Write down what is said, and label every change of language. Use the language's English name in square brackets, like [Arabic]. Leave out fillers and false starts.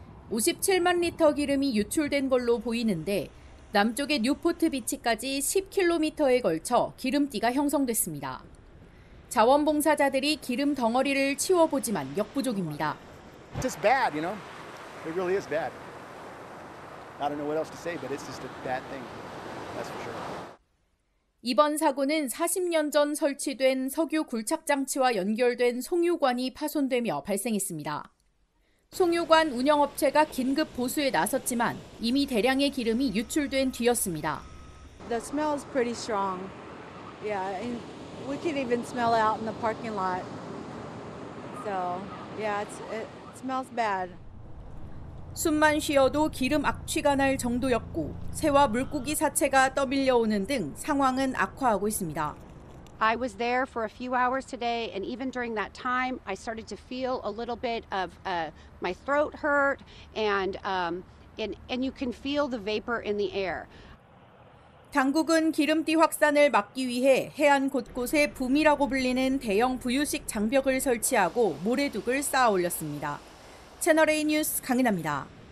[Korean] 57만 리터 기름이 유출된 걸로 보이는데 남쪽의 뉴포트 비치까지 10km에 걸쳐 기름띠가 형성됐습니다. 자원봉사자들이 기름 덩어리를 치워보지만 역부족입니다. [English] It's bad, you know. It really is bad. I don't know what else to say, but it's just a bad thing. That's for sure. [Korean] 이번 사고는 40년 전 설치된 석유 굴착 장치와 연결된 송유관이 파손되며 발생했습니다. 송유관 운영업체가 긴급 보수에 나섰지만 이미 대량의 기름이 유출된 뒤였습니다. [English] The smell is pretty strong. Yeah, and we can even smell it out in the parking lot. So, yeah, it smells bad. [Korean] 숨만 쉬어도 기름 악취가 날 정도였고 새와 물고기 사체가 떠밀려오는 등 상황은 악화하고 있습니다. [English] I was there for a few hours today and even during that time I started to feel a little bit of my throat hurt and you can feel the vapor in the air. [Korean] 당국은 기름띠 확산을 막기 위해 해안 곳곳에 붐이라고 불리는 대형 부유식 장벽을 설치하고 모래둑을 쌓아 올렸습니다. 채널A 뉴스 강인아입니다.